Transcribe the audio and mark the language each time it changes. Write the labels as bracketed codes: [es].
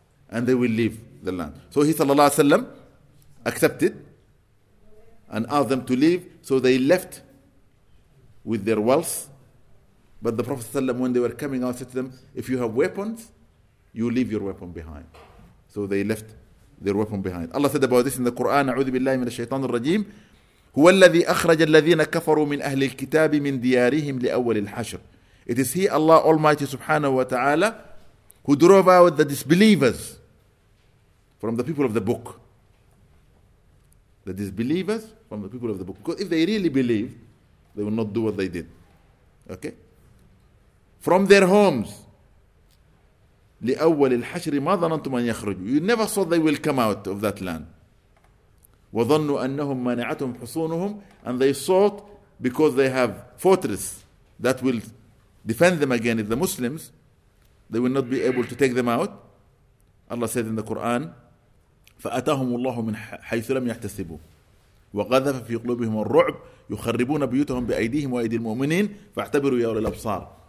[en] And they will leave the land. So he, sallallahu alayhi wa sallam, accepted and asked them to leave. So they left with their wealth. But the Prophet, when they were coming out, said to them, if you have weapons, you leave your weapon behind. So they left their weapon behind. Allah said about this in the Quran, [ar] أعوذ بالله من الشيطان الرجيم هو الذي أخرج الذين كفروا من أهل الكتاب من ديارهم لأول الحشر. [en] It is He, Allah Almighty, subhanahu wa ta'ala, who drove out the disbelievers from the people of the book. The disbelievers from the people of the book. Because if they really believe, they will not do what they did. Okay? From their homes. [ar] لأول الحشر ما ظننتم أن يخرجوا. [en] You never thought they will come out of that land. [ar] وظنوا أنهم مانعتهم حصونهم. [en] And they thought, because they have fortress that will defend them against the Muslims, they will not be able to take them out. Allah says in the Quran, [ar] فأتاهم الله من حيث لم يحتسبوا. وقذف في قلوبهم الرعب يخربون بيوتهم بأيديهم وأيدي المؤمنين فاعتبروا يا أولي الأبصار.